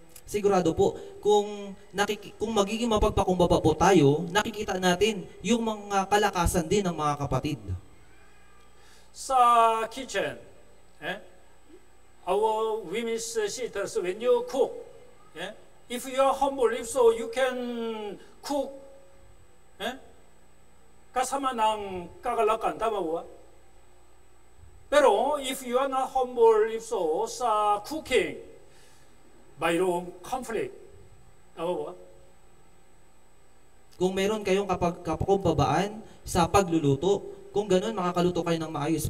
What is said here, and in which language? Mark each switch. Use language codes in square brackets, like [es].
[tl] Sigurado po kung magiging mapagpakumbaba po tayo, nakikita natin yung mga kalakasan din ng mga kapatid. [en] Sa kitchen, our women's sisters, when you cook, if you are humble, if so, you can cook. [tl] Kasama ng kagalakan, tama ba? [en] Pero if you are not humble, if so, [tl] sa cooking, mayroong conflict, tama ba? Kung meron kayong kapakumbabaan sa pagluluto, kung ganun, makakaluto kayo ng maayos.